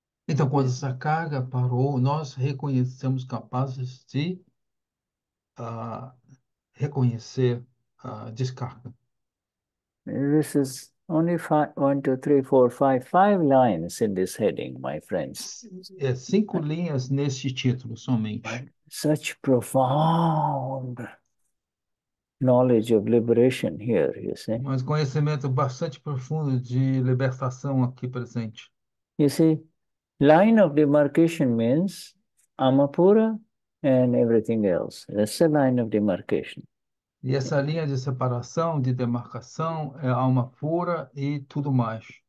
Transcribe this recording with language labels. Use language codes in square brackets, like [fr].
[pt] Então, quando essa carga parou, nós reconhecemos capazes de reconhecer a descarga. [en] This is only five, 1, 2, 3, 4, 5, 5 lines in this heading, my friends. [pt] É cinco linhas neste título somente. [en] Such profound knowledge of liberation here, you see. [pt] Mas conhecimento bastante profundo de libertação aqui presente. [en] You see, line of demarcation means Amapura and everything else. That's a line of demarcation. [pt] E essa linha de separação, de demarcação, é alma pura e tudo mais.